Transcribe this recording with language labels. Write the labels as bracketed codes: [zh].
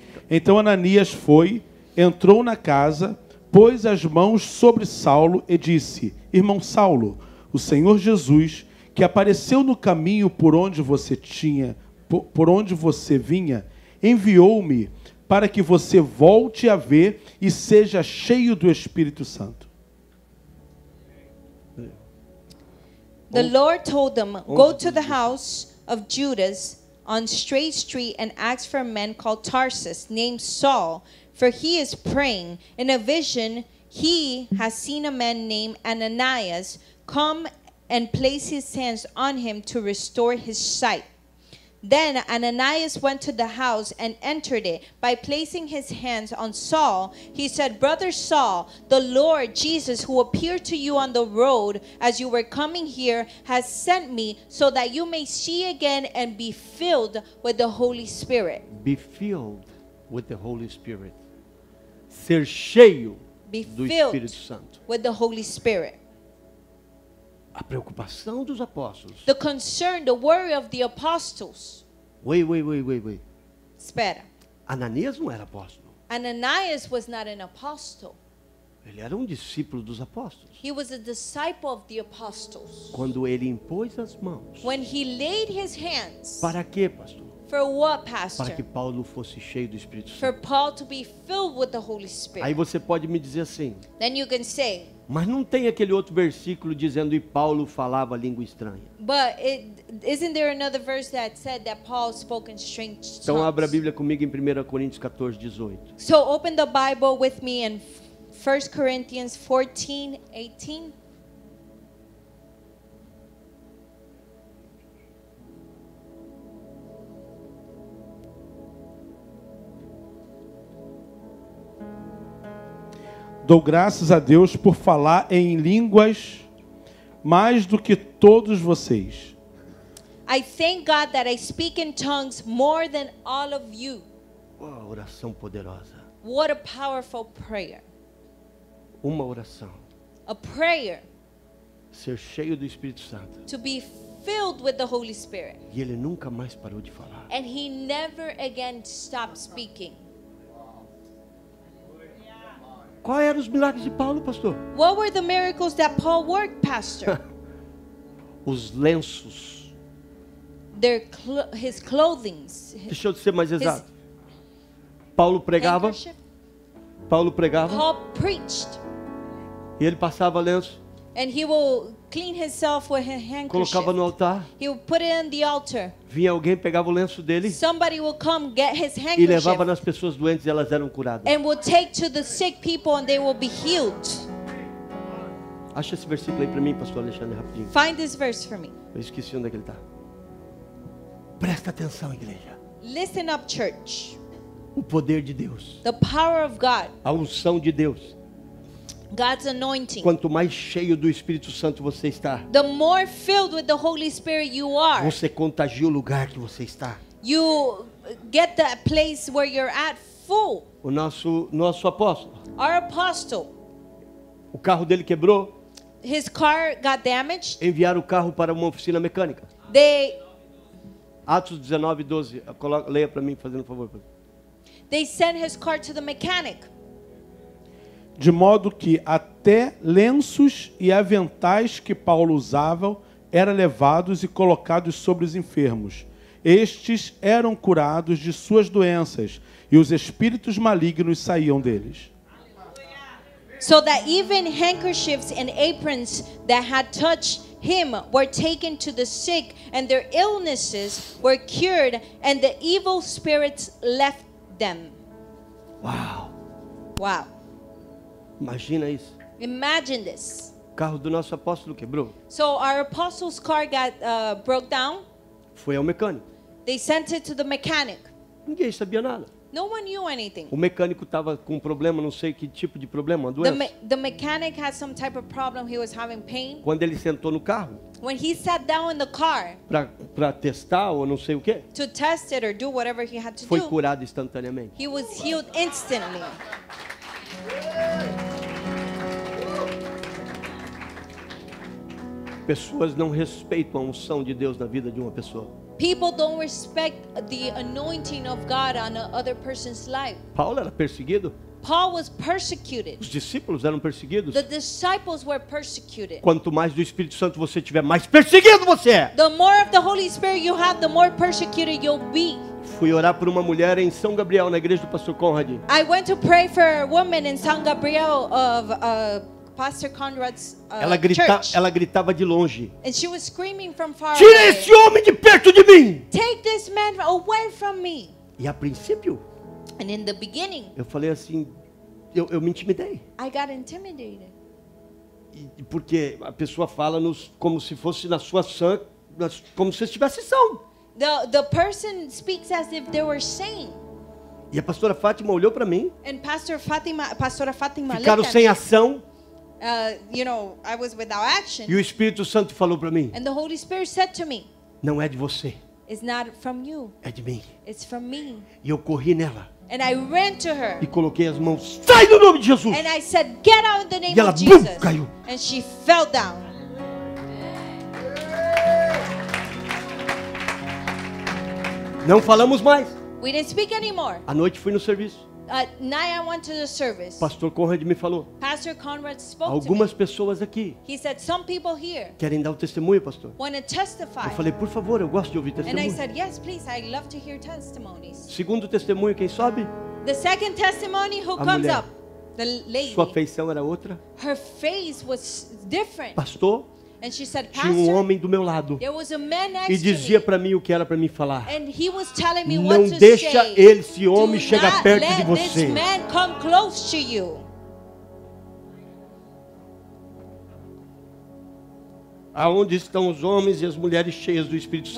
[pt] Então Ananias foi, entrou na casa, pôs as mãos sobre Saulo e disse: irmão Saulo, o Senhor Jesus, que apareceu no caminho por onde você vinha, enviou-me para que você volte a ver e seja cheio do Espírito Santo. [en] The Lord told them, go to the house of Judas on Straight Street and ask for a man called Tarsus, named Saul, for he is praying. In a vision, he has seen a man named Ananias come and place his hands on him to restore his sight. Then Ananias went to the house and entered it. By placing his hands on Saul, he said, brother Saul, the Lord Jesus, who appeared to you on the road as you were coming here, has sent me so that you may see again and be filled with the Holy Spirit. Be filled with the Holy Spirit. [pt] Ser cheio do Espírito Santo. [en] With the Holy Spirit. [pt] A preocupação dos apóstolos. [en] The concern, the worry of the apostles. Wait. [pt] Espera. Ananias não era apóstolo. [en] Ananias was not an apostle. [pt] Ele era um discípulo dos apóstolos. [en] He was a disciple of the apostles. [pt] Quando ele impôs as mãos. [en] When he laid his hands. [pt] Para quê, pastor? [en] For what, pastor? [pt] Para que Paulo fosse cheio do Espírito Santo. [en] For Paul to be filled with the Holy Spirit. [pt] Aí você pode me dizer assim. [en] Then you can say. [pt] Mas não tem aquele outro versículo dizendo que Paulo falava língua estranha. [en] But isn't there another verse that said that Paul spoke in strange tongues? [pt] Então abra a Bíblia comigo em 1 Coríntios 14, 18. [en] So open the Bible with me in 1 Corinthians 14, 18. [pt] Dou graças a Deus por falar em línguas mais do que todos vocês. [en] I thank God that I speak in tongues more than all of you. [pt] Uma oração poderosa. [en] What a powerful prayer. [pt] Uma oração. [en] A prayer. [pt] Ser cheio do Espírito Santo. [en] To be filled with the Holy Spirit. [pt] E ele nunca mais parou de falar. [en] And he never again stopped speaking. [pt] Quais eram os milagres de Paulo, pastor? [en] What were the miracles that Paul worked, pastor? [pt] Os lenços. [en] Their his clothing. [pt] Deixa eu ser mais exato. Paulo pregava. Paulo pregava. [en] Paul preached. [pt] E ele passava lenço. [en] And he will clean himself with his handkerchief. [pt] Colocava no altar. [en] He will put it in the altar. [pt] Vinha alguém, pegava o lenço dele. [en] Somebody will come get his handkerchief. [pt] E levava nas pessoas doentes e elas eram curadas. [en] And will take to the sick people and they will be healed. [pt] Acha esse versículo aí para mim, pastor Alexandre, rapidinho. [en] Find this verse for me. [pt] Eu esqueci onde é que ele tá. Presta atenção, igreja. [en] Listen up, church. [pt] O poder de Deus. [en] The power of God. [pt] A unção de Deus. [en] God's anointing. [pt] Quanto mais cheio do Espírito Santo você está, [en] the more filled with the Holy Spirit you are, [pt] você contagia o lugar que você está. [en] You get that place where you're at full. [pt] O nosso apóstolo. [en] Our apostle. [pt] O carro dele quebrou. [en] His car got damaged. [pt] Enviaram o carro para uma oficina mecânica. [en] They [pt] Atos 19, 12. Coloca, leia para mim, fazendo um favor. [en] They sent his car to the mechanic. [pt] De modo que até lenços e aventais que Paulo usava eram levados e colocados sobre os enfermos. Estes eram curados de suas doenças e os espíritos malignos saíam deles. [en] So that even handkerchiefs and aprons that had touched him were taken to the sick and their illnesses were cured and the evil spirits left them. Wow. Wow. [pt] Imagina isso. [en] Imagine this. [pt] O carro do nosso apóstolo quebrou. [en] So our apostle's car got broke down. [pt] Foi ao mecânico. [en] They sent it to the mechanic. [pt] Ninguém sabia nada. [en] No one knew anything. [pt] O mecânico estava com um problema, não sei que tipo de problema, uma doença. [en] The mechanic had some type of problem. He was having pain. [pt] Quando ele sentou no carro. [en] When he sat down in the car. [pt] Para testar ou não sei o quê. [en] To test it or do whatever he had to [pt] foi [en] do. [pt] Foi curado instantaneamente. [en] He was healed instantly. [pt] Pessoas não respeitam a unção de Deus na vida de uma pessoa. [en] People don't respect the anointing of God on another person's life. [pt] Paulo era perseguido. [en] Paul was persecuted. [pt] Os discípulos eram perseguidos. [en] The disciples were persecuted. [pt] Quanto mais do Espírito Santo você tiver, mais perseguido você é. [en] The more of the Holy Spirit you have, the more persecuted you'll be. [pt] Fui orar por uma mulher em São Gabriel, na igreja do pastor Conrad. [en] I went to pray for a woman in São Gabriel of Pastor Conrad's church. [pt] Ela gritava de longe. [en] And she was screaming from far. [pt] Tire esse homem de perto de mim. [en] Take this man away from me. [pt] E a princípio, [en] and in the beginning, [pt] eu falei assim, eu me intimidei. [en] I got intimidated. [pt] E porque a pessoa fala nos como se fosse na sua sã, como se estivesse são. [en] The person speaks as if they were sane. [pt] E a pastora Fátima olhou para mim. [en] And Pastor Fátima [pt] ficaram sem ação. [en] You know, I was without action. [pt] E o Espírito Santo falou para mim. [en] And the Holy Spirit said to me. [pt] Não é de você. [en] It's not from you. [pt] É de mim. [en] It's from me. [pt] E eu corri nela. [en] And I ran to her. [pt] E coloquei as mãos. Sai do nome de Jesus. [en] And I said, get out in the name [pt] e ela, [en] of Jesus. [pt] Bum, caiu. [en] And she fell down. [pt] Não falamos mais. [en] We didn't speak anymore. [pt] À noite fui no serviço. [en] At night I went to the service. [pt] Pastor Conrad me falou. [en] Pastor Conrad spoke [pt] algumas [en] to me. [pt] Pessoas aqui. [en] He said some people here. [pt] Querem dar o testemunho, pastor? [en] Want to testify. [pt] Eu falei, por favor, eu gosto de ouvir testemunhos. [en] And I said, yes, please, I love to hear testimonies. [pt] Segundo testemunho, quem sobe? [en] The second testimony who [pt] a [en] comes [pt] mulher. [en] Up? The lady. [pt] Sua feição era outra? [en] Her face was different. [pt] Pastor? [en] And she said, [pt] tinha um homem do meu lado. [en] There was a man next [pt] e dizia para mim o que era para mim falar. [en] And he was telling me [pt] não [en] what to [pt] deixa [en] say. [pt] Esse homem do chegar perto [en] let [pt] de você. [en] This man come close to you. [pt] Aonde estão os homens e as mulheres cheias do Espírito Santo?